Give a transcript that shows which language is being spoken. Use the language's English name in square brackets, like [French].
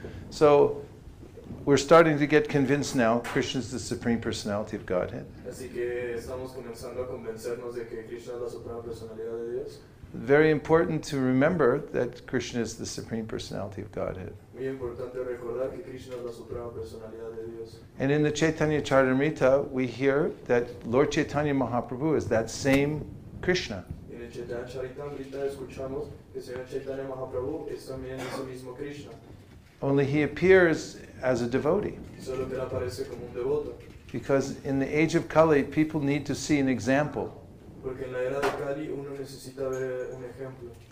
[English] So we're starting to get convinced now Krishna is the Supreme Personality of Godhead. [Spanish] Así que estamos comenzando a convencernos de que Krishna es la suprema personalidad de Dios. [English] Very important to remember that Krishna is the Supreme Personality of Godhead. [Spanish] Muy importante recordar que Krishna es la suprema personalidad de Dios. [English] And in the Chaitanya Charitamrita, we hear that Lord Chaitanya Mahaprabhu is that same Krishna. [Spanish] En el Chaitanya Charitamrita escuchamos que Señor Chaitanya Mahaprabhu es también ese mismo Krishna. [English] Only he appears as a devotee. [Spanish] Solo que él aparece como un devoto. [English] Because in the age of Kali, people need to see an example. [Spanish] Porque en la era de Kali uno necesita ver un ejemplo.